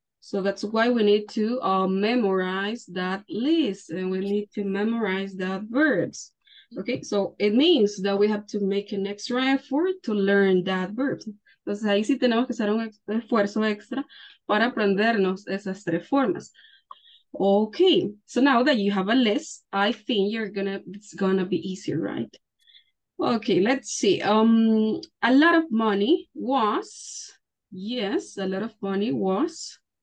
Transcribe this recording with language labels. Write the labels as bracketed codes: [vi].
[en] So that's why we need to memorize that list, and we need to memorize that verbs. Okay, so it means that we have to make an extra effort to learn that verbs. [es] Entonces ahí sí tenemos que hacer un esfuerzo extra para aprendernos esas tres formas. [en] Okay, so now that you have a list, I think it's gonna be easier, right? Okay, let's see. A lot of money was, yes, a lot of money was.